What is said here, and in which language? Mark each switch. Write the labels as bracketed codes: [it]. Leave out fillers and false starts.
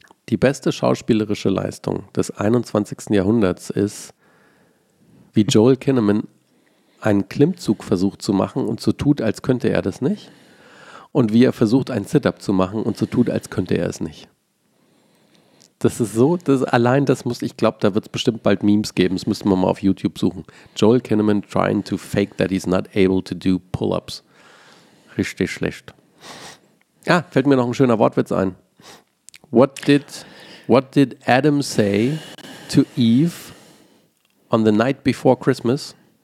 [de] Die beste schauspielerische Leistung des 21. Jahrhunderts ist, wie Joel Kinnaman einen Klimmzug versucht zu machen und so tut, als könnte er das nicht. Und wie er versucht, einen Sit-Up zu machen und so tut, als könnte er es nicht. Das ist so, das, allein das muss, ich glaube, da wird es bestimmt bald Memes geben. Das müsste man mal auf YouTube suchen. [en] Joel Kinnaman trying to fake that he's not able to do pull-ups. [de] Richtig schlecht. Ah, fällt mir noch ein schöner Wortwitz ein. [en] What did Adam say to Eve on the night before Christmas?